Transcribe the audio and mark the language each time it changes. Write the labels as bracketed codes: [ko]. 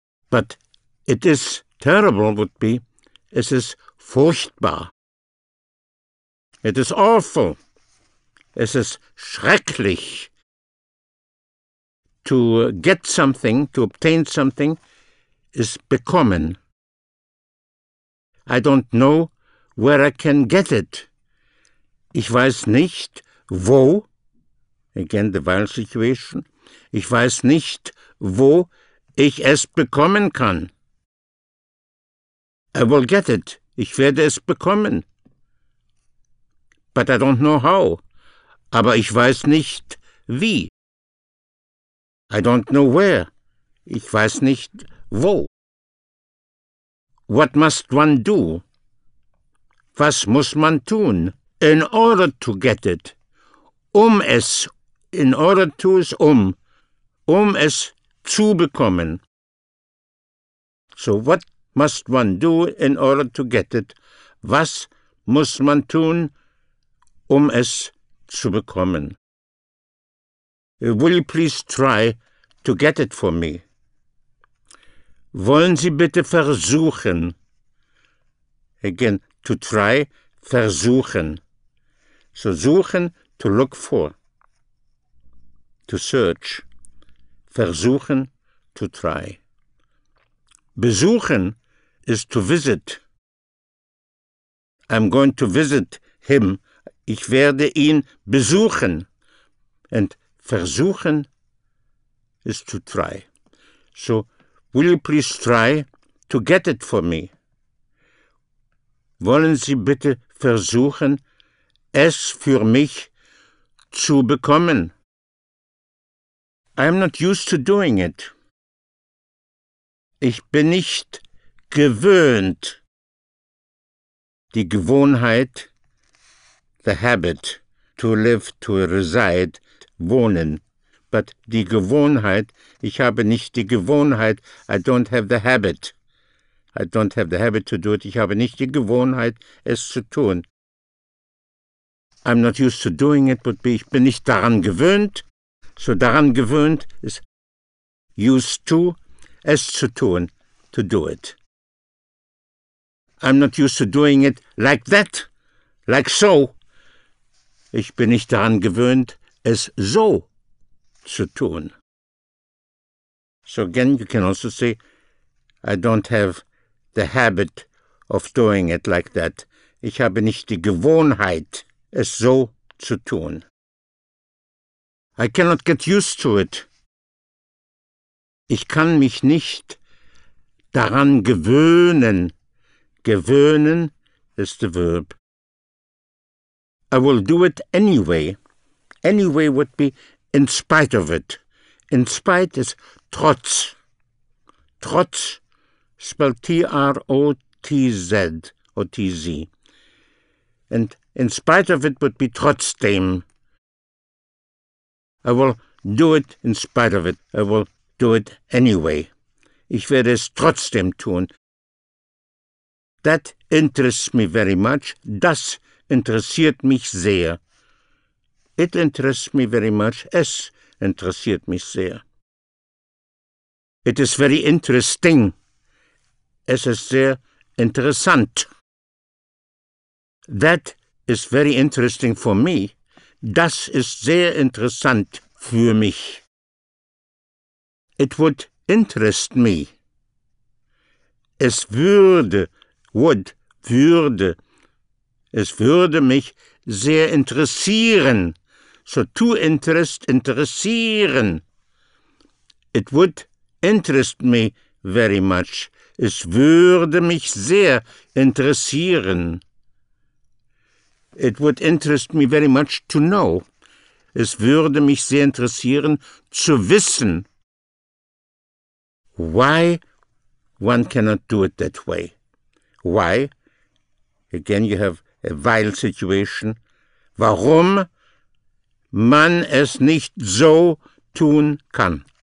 [en] But it is terrible, would be. [de] Es ist furchtbar. [en] It is awful. [de] Es ist schrecklich. [en] To get something, to obtain something, is bekommen. I don't know where I can get it. [de] Ich weiß nicht, wo, [en] again the vowel situation, [de] ich weiß nicht, wo ich es bekommen kann. [en] I will get it. [de] Ich werde es bekommen. [en] But I don't know how. [de] Aber ich weiß nicht, wie. [en] I don't know where. [de] Ich weiß nicht, wo. [en] What must one do? [de] Was muss man tun? [en] In order to get it. [de] Um es. [en] In order to is um. [de] Um es zu bekommen. [en] So what must one do in order to get it? [de] Was muss man tun, um es zu bekommen? [en] Will you please try to get it for me? [de] Wollen Sie bitte versuchen? [en] Again, to try, versuchen. So suchen, to look for, to search. Versuchen, to try. Besuchen is to visit. I'm going to visit him. [de] Ich werde ihn besuchen. [en] And versuchen is to try. So, will you please try to get it for me? [de] Wollen Sie bitte versuchen, es für mich zu bekommen? [en] I am not used to doing it. [de] Ich bin nicht gewöhnt. [en] Die Gewohnheit, the habit, to live, to reside, wohnen. [de] But die Gewohnheit, ich habe nicht die Gewohnheit, [en] I don't have the habit. I don't have the habit to do it. [de] Ich habe nicht die Gewohnheit, es zu tun. [en] I'm not used to doing it, but [de] ich bin nicht daran gewöhnt. [en] So daran gewöhnt is used to, [de] es zu tun, [en] to do it. I'm not used to doing it like that, like so. [de] Ich bin nicht daran gewöhnt, es so zu tun. [en] So again, you can also say, I don't have the habit of doing it like that. [de] Ich habe nicht die Gewohnheit, es so zu tun. [en] I cannot get used to it. [de] Ich kann mich nicht daran gewöhnen. [en] Gewöhnen is the verb. I will do it anyway. Anyway would be in spite of it. In spite is trotz. Trotz spelled T-R-O-T-Z or T-Z. And in spite of it would be trotzdem. I will do it in spite of it. I will do it anyway. [de] Ich werde es trotzdem tun. [en] That interests me very much. [de] Das interessiert mich sehr. [en] It interests me very much. [de] Es interessiert mich sehr. [en] It is very interesting. [de] Es ist sehr interessant. [en] That is very interesting for me. [de] Das ist sehr interessant für mich. [en] It would interest me. Es würde, would, würde. [de] Es würde mich sehr interessieren. [en] So to interest, interessieren. It would interest me very much. [de] Es würde mich sehr interessieren. [en] It would interest me very much to know. [de] Es würde mich sehr interessieren, zu wissen. [en] Why one cannot do it that way? Why? Again, you have a while situation. [de] Warum man es nicht so tun kann?